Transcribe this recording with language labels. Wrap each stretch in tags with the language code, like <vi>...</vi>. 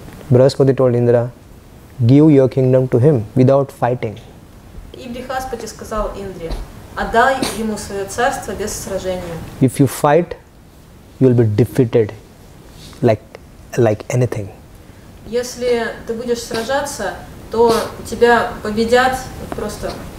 <en>Brihaspati told Indra, give your kingdom to him without fighting.</en> <ru>И Брихаспати сказал Индре, отдай ему свое царство без сражения.</ru> <en>If you fight, you will be defeated, like anything.</en> <ru>Если ты будешь сражаться, то тебя победят просто.</ru>